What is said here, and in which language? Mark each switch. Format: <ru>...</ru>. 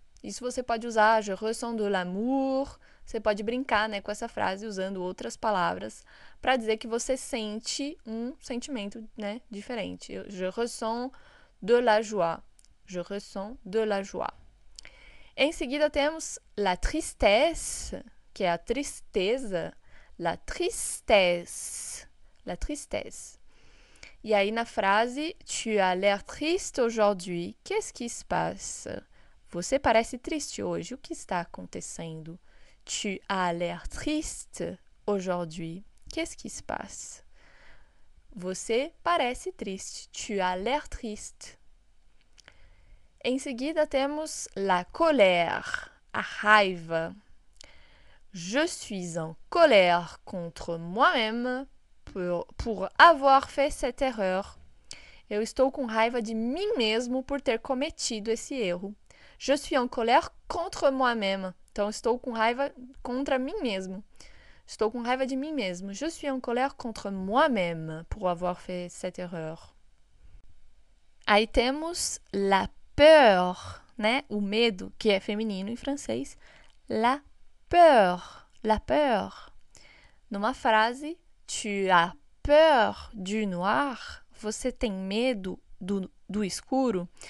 <pt>Isso você pode usar,</pt> <fr>je ressens de l'amour.</fr> <pt>Você pode brincar, né, com essa frase usando outras palavras para dizer que você sente um sentimento, né, diferente.</pt> <fr>Je ressens de la joie. Je ressens de la joie.</fr> <pt>Em seguida temos la tristesse, que é a tristeza.</pt> <fr>La tristesse. La tristesse.</fr> <pt>E aí na frase,</pt> <fr>tu as l'air triste aujourd'hui. Qu'est-ce qui se passe?</fr> <pt>Você parece triste hoje. O que está acontecendo?</pt> <fr>Tu as l'air triste aujourd'hui. Qu'est-ce qui se passe?</fr> <pt>Você parece triste.</pt> <fr>Tu as l'air triste.</fr> <pt>Em seguida temos la colère, a raiva.</pt> <fr>Je suis en colère contre moi-même pour avoir fait cette erreur.</fr> <pt>Eu estou com raiva de mim mesmo por ter cometido esse erro.</pt> <fr>Je suis en colère contre moi-même.</fr> <pt>Então, estou com raiva contra mim mesmo. Estou com raiva de mim mesmo.</pt> <fr>Je suis en colère contre moi-même pour avoir fait cette erreur.</fr> <pt>Aí temos la peur, né? O medo, que é feminino em francês.</pt> <fr>La peur. La peur.</fr> <pt>Numa frase,</pt> <fr>tu as peur du noir?</fr> <pt>Você tem medo do escuro?</pt>